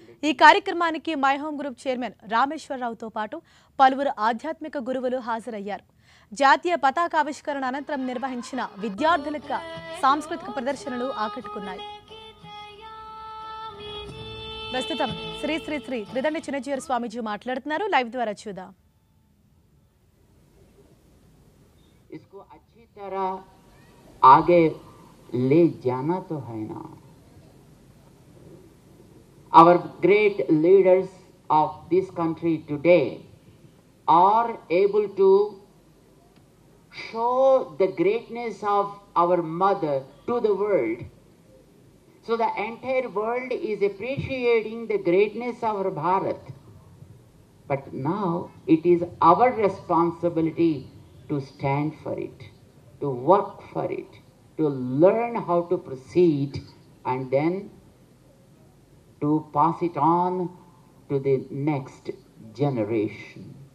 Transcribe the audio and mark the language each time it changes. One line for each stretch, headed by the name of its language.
Telugu: ఈ కార్యక్రమానికి my home group chairman రామేశ్వరరావుతో పాటు పలువురు ఆధ్యాత్మిక గురువులు హాజరయ్యారు. జాతీయ పతాక ఆవిష్కరణ అనంతరం నిర్వహించిన విద్యార్థులకు సాంస్కృతిక ప్రదర్శనలు ఆకట్టుకున్నాయి. ప్రస్తుతం శ్రీ శ్రీ శ్రీ త్రిదండి చిన్నచియర్ స్వామీజీ మాట్లాడుతున్నారు, లైవ్ ద్వారా చూద్దాం.
Hindi: इसको अच्छी तरह आगे ले जाना तो है ना.
English: Our great leaders of this country today are able to show the greatness of our mother to the world. So the entire world is appreciating the greatness of our Bharat. But now it is our responsibility to stand for it, to work for it, to learn how to proceed, and then to pass it on to the next generation.